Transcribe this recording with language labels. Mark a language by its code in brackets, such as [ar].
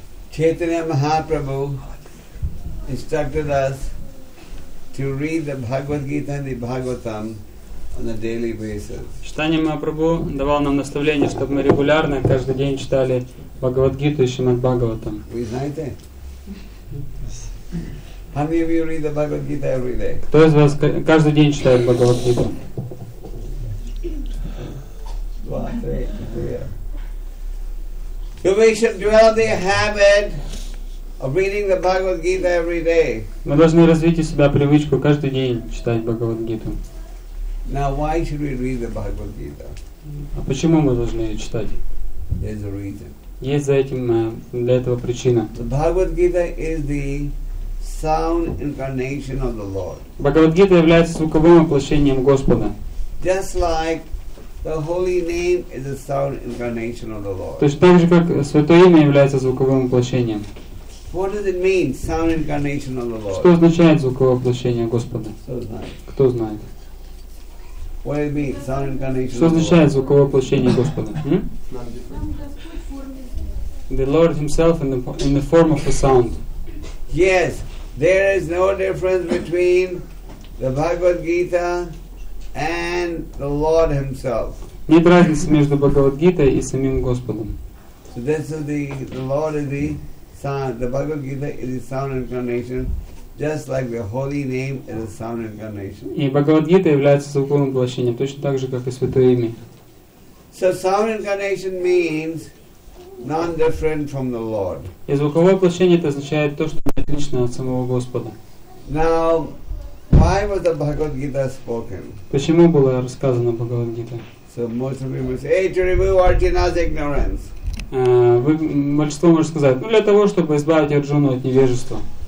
[en] Chaitanya Mahaprabhu instructed us to read the Bhagavad Gita and the Bhagavatam on a daily basis. [ru] Чайтанья Махапрабху давал нам наставление, чтобы мы регулярно каждый день читали Бхагавад-гиту и Шримад-Бхагаватам. Вы знаете? [en] How many of you read the Bhagavad Gita every day? [ru] Кто из вас каждый день читает Бхагавад-гиту? Два, три, четыре. [en] You should develop the habit of reading the Bhagavad Gita every day. [ru] Мы должны развить у себя привычку каждый день читать Бхагавад Гиту. [en] Now why should we read the Bhagavad Gita? [ru] А почему мы должны ее читать? [en] There's a reason. [ru] Есть за этим для этого причина. [en] The Bhagavad Gita is the sound incarnation of the Lord. [ru] Бхагавад Гита является звуковым воплощением Господа. [en] Just like the holy name is a sound incarnation of the Lord. [ru] То есть так же как святое имя является звуковым воплощением. [en] What does it mean, sound incarnation of the Lord? [ru] Что означает звуковое воплощение Господа? Кто знает? [en] What does it mean, sound incarnation of the Lord? [ru] Что означает звуковое воплощение Господа? [en] The Lord Himself in the form of a sound. Yes, there is no difference between the Bhagavad Gita and the Lord Himself. [ru] Нет разницы между Бхагавад Гитой и самим Господом. [en] So this is the Lord is the sound. The Bhagavad Gita is a sound incarnation, just like the holy name is a sound incarnation. [ru] И Бхагавад Гита является звуковым воплощением точно так же, как и святое имя. [en] So sound incarnation means non-different from the Lord. [ru] И звуковое воплощение это означает то, что отлично от самого Господа. [en] Now, why was the Bhagavad Gita spoken? [ru] Почему было рассказано Бхагавад Гита? [en] So most of you will say, "Hey, to remove Arjuna's ignorance." [ru] Вы большинство можете сказать, ну для того, чтобы избавить Арджуну от невежества.